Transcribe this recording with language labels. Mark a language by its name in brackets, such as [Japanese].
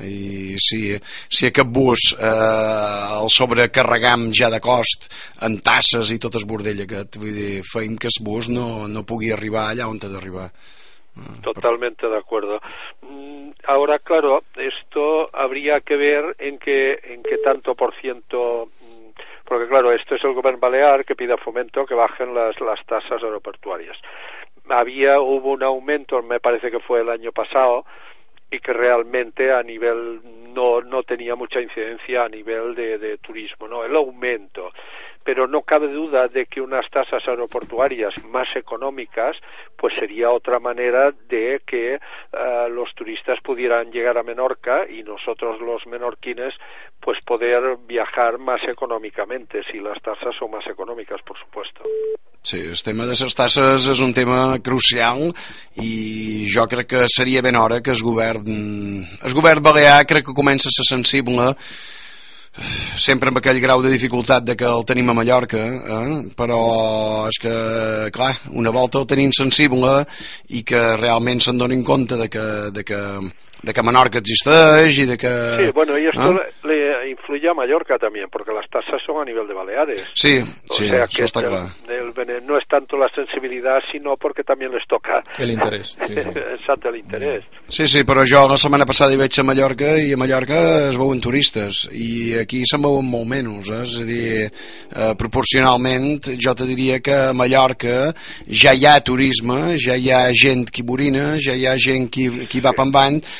[Catalan] I si aquest bus el sobrecarregam ja de cost en taxes i tot el bordell aquest, vull dir, feim que el bus no pugui arribar allà on ha d'arribar. [Spanish] Totalmente de acuerdo. Ahora, claro, esto habría que ver en qué tanto por ciento, porque claro, esto es el gobierno balear que pide a Fomento que bajen las tasas aeroportuarias. Hubo un aumento, me parece que fue el año pasado, y que realmente a nivel no tenía mucha incidencia a nivel de turismo, ¿no? El aumento. Pero no cabe duda de que unas tasas aeroportuarias más económicas pues sería otra manera de que los turistas pudieran llegar a Menorca y nosotros los menorquines pues poder viajar más económicamente, si las tasas son más económicas, por supuesto. [Catalan] Sí, el tema de les tasses és un tema crucial i jo crec que seria ben hora que el govern balear crec que comença a ser sensible, sempre amb aquell grau de dificultat de que el tenim a Mallorca, però és que clar, una volta el tenim sensible i que realment se'n donin compte de que Menorca existeix i de que... [Spanish] Sí, bueno, y esto le influye a Mallorca también, porque las tasas son a nivel de Baleares. Sí, sí, eso está claro. No es tanto la sensibilidad, sino porque también les toca... El interés, sí, sí. Exacto, el interés. [Catalan] Sí, sí, però jo la setmana passada hi vaig a Mallorca i a Mallorca es veuen turistes i aquí se'n veuen molt menys, és a dir, proporcionalment jo te diria que a Mallorca ja hi ha turisme, ja hi ha gent que borina, ja hi ha gent que va pambant.